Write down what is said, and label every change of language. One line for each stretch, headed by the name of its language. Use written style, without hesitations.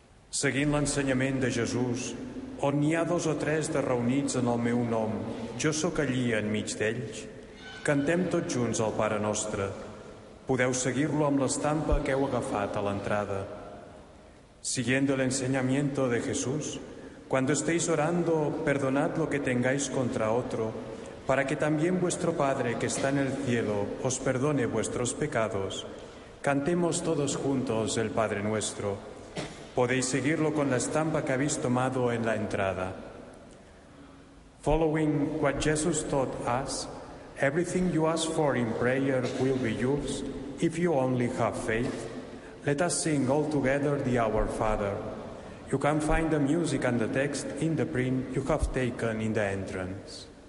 Catalan: Seguint l'ensenyament de Jesús, on n'hi ha dos o tres de reunits en el meu nom, jo sóc allí enmig d'ells, cantem tots junts el Pare Nostre. Podeu seguir-lo amb l'estampa que heu agafat a l'entrada.
Spanish: Siguiendo el enseñamiento de Jesús, cuando estéis orando, perdonad lo que tengáis contra otro, para que también vuestro Padre que está en el cielo os perdone vuestros pecados. Cantemos todos juntos el Padre Nuestro. Podéis seguirlo con la estampa que habéis tomado en la entrada.
English: Following what Jesus taught us, everything you ask for in prayer will be yours if you only have faith. Let us sing all together the Our Father. You can find the music and the text in the print you have taken in the entrance.